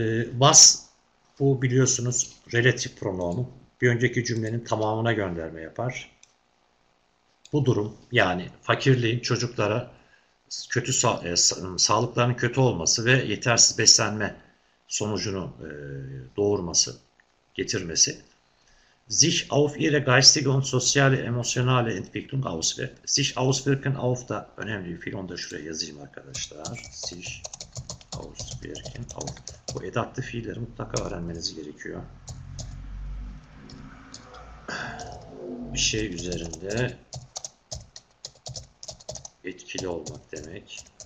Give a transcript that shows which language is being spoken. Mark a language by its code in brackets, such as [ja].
[tr] Was bu biliyorsunuz relatif pronomu. Bir önceki cümlenin tamamına gönderme yapar. Bu durum yani fakirliğin çocuklara kötü sağlıklarının kötü olması ve yetersiz beslenme sonucunu doğurması, getirmesi. [de] Sich auf ihre geistige und soziale emotionale Entwicklung auswirkt. [tr] Sich auswirken auf da önemli bir fiil. Onu da şuraya yazayım arkadaşlar. Sich auswirken auf. Bu edatlı fiilleri mutlaka öğrenmeniz gerekiyor. Bir şey üzerinde etkili olmak demek.